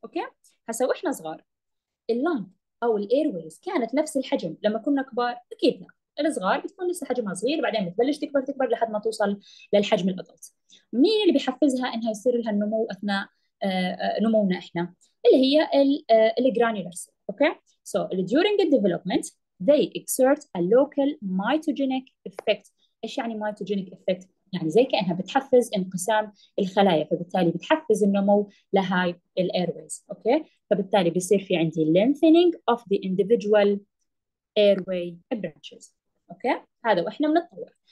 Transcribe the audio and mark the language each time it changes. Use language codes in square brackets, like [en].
[ar] اوكي؟ هسا واحنا صغار اللنج او الاير ويز كانت نفس الحجم لما كنا كبار؟ اكيد لا، الصغار بتكون لسه حجمها صغير، بعدين بتبلش تكبر تكبر لحد ما توصل للحجم الادلت. مين اللي بيحفزها انها يصير لها النمو اثناء نمونا احنا؟ اللي هي الجرانيولار سيل. [en] Okay? So during الديفلوبمنت they exert a local mitogenic effect. [ar] ايش يعني mitogenic effect؟ يعني زي كانها بتحفز انقسام الخلايا، فبالتالي بتحفز النمو لهاي الايرويز. اوكي؟ فبالتالي بيصير في عندي [en] lengthening of the individual airway branches. [ar] اوكي هذا واحنا بنتطور.